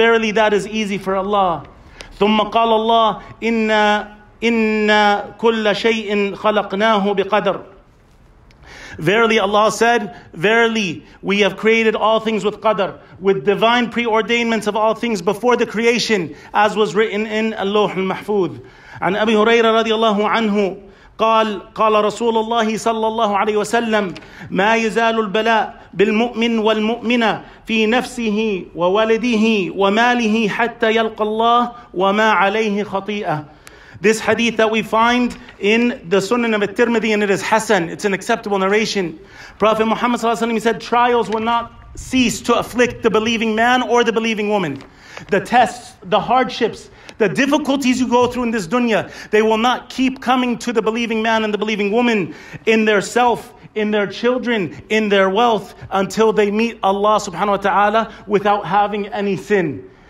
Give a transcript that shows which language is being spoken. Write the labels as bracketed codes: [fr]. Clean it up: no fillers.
[en] Verily, that is easy for Allah. [ar] ثُمَّ قَالَ اللَّهُ إِنَّ كُلَّ شَيْءٍ خَلَقْنَاهُ بِقَدْرٍ. [en] Verily, Allah said, verily, we have created all things with qadr, with divine preordainments of all things before the creation, as was written in Allah al-Mahfud. [ar] عن أبي هريرة رضي الله عنه قال قال رسول الله صلى الله عليه وسلم ما يزال البلاء بالمؤمن والمؤمنة في نفسه وولده وماله حتى يلقى الله وما عليه خطيئة. [en] This hadith that we find in the Sunan of at-Tirmidhi, and it is Hassan, it's an acceptable narration. Prophet Muhammad sallallahu alaihi wasallam, he said, trials will not cease to afflict the believing man or the believing woman. The tests, the hardships, the difficulties you go through in this dunya, they will not keep coming to the believing man and the believing woman in their self, in their children, in their wealth, until they meet Allah subhanahu wa ta'ala without having any sin.